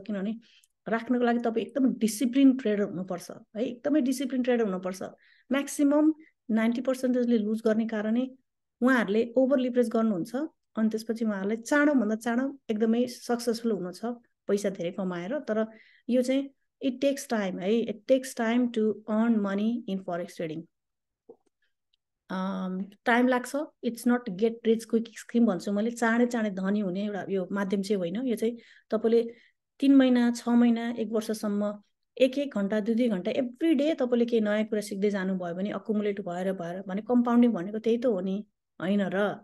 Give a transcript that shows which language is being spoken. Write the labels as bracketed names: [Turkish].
[Nepali] किनभने राख्नको लागि तपाईँ एकदम डिसिप्लिन ट्रेडर हुनुपर्छ है, एकदमै डिसिप्लिन ट्रेडर हुनुपर्छ. म्याक्सिमम 90% लुज गर्ने कारणै उहाँहरूले ओभर लिभरेज गर्नुहुन्छ अनि त्यसपछि उहाँहरूले चाँडोभन्दा चाँडो एकदमै सक्सेसफुल हुनु छ, पैसा धेरै कमाएर. तर यो चाहिँ [English] It takes time है, it takes time to earn money in forex trading. [Nepali] Time लाग्छ, [English] it's not get rich quick scheme [Nepali] भन्छु मैले. चाँडै धनी हुने एउटा यो माध्यम चाहिँ होइन. यो चाहिँ तपाईँले 3 महिना, 6 महिना, 1 वर्षसम्म एक एक घन्टा, 2-2 घन्टा एभ्री डे तपाईँले केही नयाँ कुरा सिक्दै जानुभयो भने अकुमुलेट भएर भएर भने कम्पाउन्डिङ भनेको त्यही त हो नि होइन र.